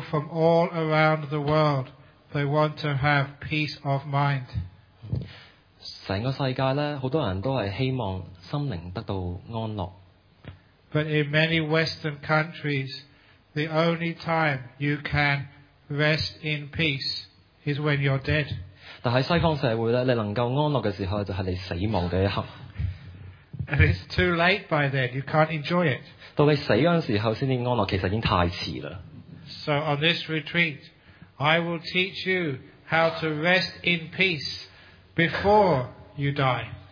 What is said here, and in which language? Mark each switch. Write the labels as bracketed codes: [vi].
[en] from all around the world, they want to have peace of mind. [yue] 成個世界咧，好多人都係希望心靈得到安樂。 [en] But in many Western countries, the only time you can rest in peace is when you're dead. [yue] 但喺西方社會咧，你能夠安樂嘅時候就係你死亡嘅一刻。 [en] And it's too late by then, you can't enjoy it. [yue] 到你死嗰陣時候先至安樂，其實已經太遲啦。 [en] So on this retreat, I will teach you how to rest in peace before you die.